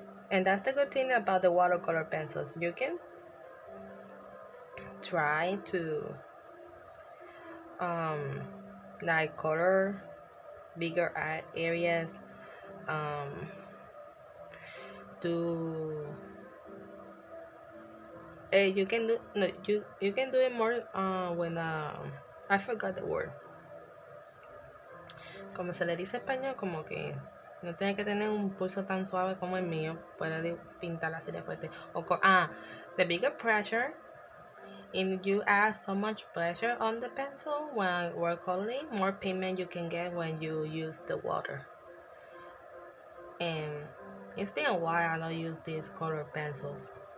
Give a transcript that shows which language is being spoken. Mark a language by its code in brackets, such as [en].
[en] And that's the good thing about the watercolor pencils. You can try to like color bigger areas, you can do it more when I forgot the word. [es] Como se le dice español, como que no tiene que tener un pulso tan suave como el mío, puede pintar así de fuerte. [en] The bigger pressure, and you add so much pressure on the pencil when we're coloring, more pigment you can get when you use the water. And it's been a while I don't use these color pencils.